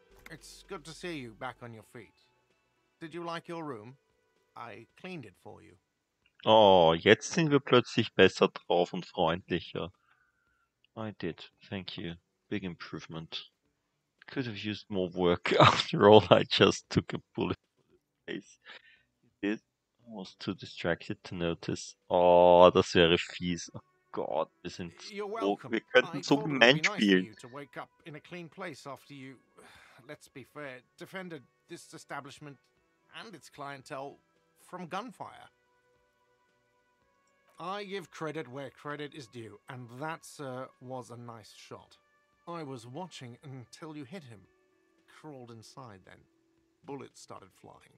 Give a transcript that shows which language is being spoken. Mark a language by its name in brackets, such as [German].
[English] It's good to see you back on your feet. Did you like your room? I cleaned it for you. [German] Oh, jetzt sind wir plötzlich besser drauf und freundlicher. [English] I did, thank you. Big improvement. Could have used more work. After all, I just took a bullet for the face. Was too distracted to notice. [German] Oh, das wäre fies. Oh Gott, wir sind so, wir könnten so gemeint spielen. [English] To wake up in a clean place after you, let's be fair, defended this establishment and its clientele from gunfire. I give credit where credit is due, and that, sir, was a nice shot. I was watching until you hit him. Crawled inside then. Bullets started flying.